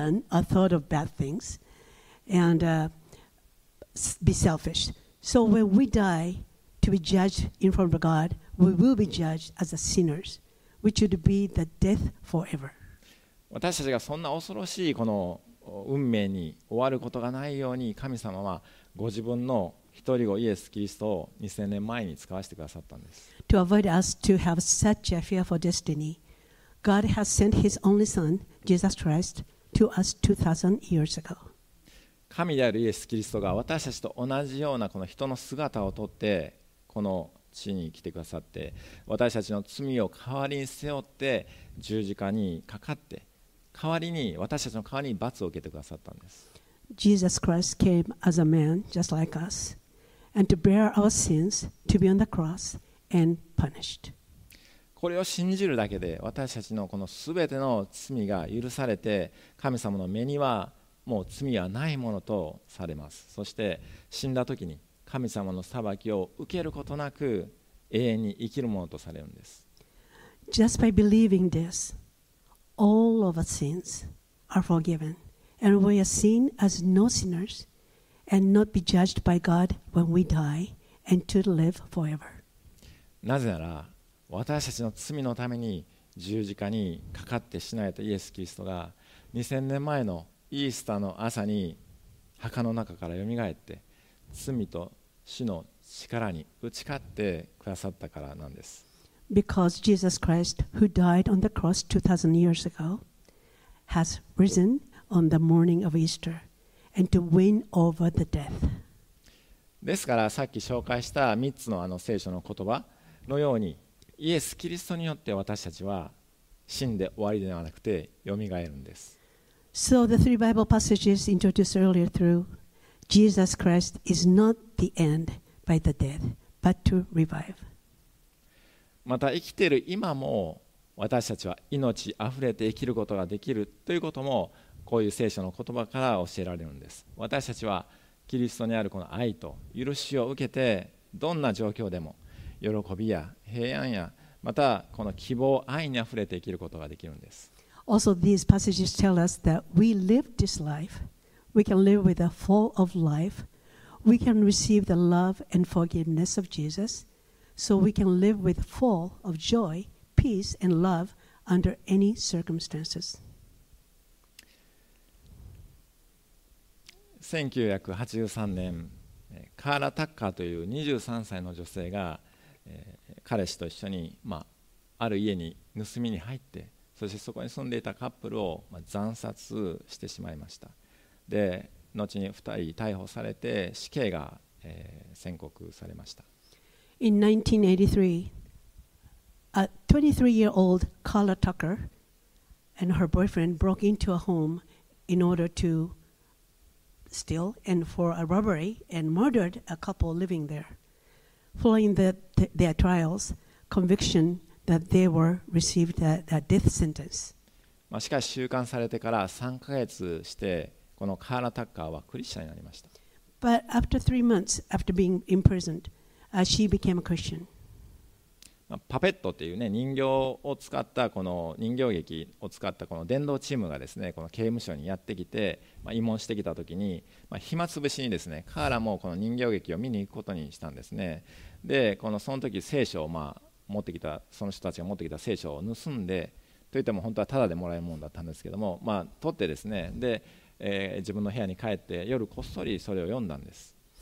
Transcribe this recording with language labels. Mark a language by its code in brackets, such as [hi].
[en] Nobody has not done or thought of bad things. And be selfish. So when we die to be judged in front of God, we will be judged as a sinners, which would be the death forever. [ja] 私たちがそんな恐ろしいこの運命に終わることがないように、神様はご自分の一人子イエス・キリストを2000年前に使わせてくださったんです。 [en] To avoid us to have such a fearful destiny, God has sent His only Son, Jesus Christ, to us 2000 years ago. [ja] 神であるイエス・キリストが私たちと同じようなこの人の姿をとってこの地に来てくださって、私たちの罪を代わりに背負って十字架にかかって、代わりに私たちの代わりに罰を受けてくださったんです。 [en] Jesus Christ came as a man just like us and to bear our sins to be on the cross and punished. [ja] これを信じるだけで私たちのこの全ての罪が許されて、神様の目にはもう罪はないものとされます。そして死んだ時に神様の裁きを受けることなく永遠に生きるものとされるんです。 [en] Just by believing this, all of our sins are forgiven and we are seen as no sinners and not be judged by God when we die and to live forever. [ja] なぜなら私たちの罪のために十字架にかかって死なれたイエス・キリストが2000年前のイースターの朝に墓の中からよみがえって罪と死の力に打ち勝ってくださったからなんです。 [en] Because Jesus Christ, who died on the cross 2000 years ago, has risen on the morning of Easter and to win over the death. [ja] ですからさっき紹介した3つの あの聖書の言葉のようにイエス・キリストによって私たちは死んで終わりではなくてよみがえるんです。 [en] So the three Bible passages introduced earlier through Jesus Christ is not the end by the death, but to revive. [ja] また生きている今も私たちは命あふれて生きることができるということもこういう聖書の言葉から教えられるんです。私たちはキリストにあるこの愛と許しを受けてどんな状況でも喜びや平安やまたこの希望愛にあふれて生きることができるんです。 [en] Also, these passages tell us that we live this life. We can live with a full of life. We can receive the love and forgiveness of Jesus. So we can live with full of joy, peace, and love under any circumstances. [ja] 1983年、カーラ・タッカーという23歳の女性が、彼氏と一緒に、ある家に盗みに入って、そしてそこに住んでいたカップルを、惨殺してしまいました。で、後に2人逮捕されて死刑が、宣告されました。 [en] In 1983, a 23-year-old Carla Tucker and her boyfriend broke into a home in order to steal and for a robbery and murdered a couple living there. Following their trials, convictionThat they were received a death sentence. [ja] しかし収監されてから3ヶ月してこのカーラ・タッカーはクリスチャンになりました。 [en] But after 3 months after being imprisoned, she became a Christian. [ja] パペットっていうね人形を使ったこの人形劇を使ったこの伝道チームがですねこの刑務所にやってきて、慰問してきたときに、暇つぶしにですねカーラもこの人形劇を見に行くことにしたんですね。でこのその時聖書を持ってきたその人たちが持ってきた聖書を盗んでといっても本当はただでもらえるものだったんですけども、取ってですねで、自分の部屋に帰って夜こっそりそれを読んだんです。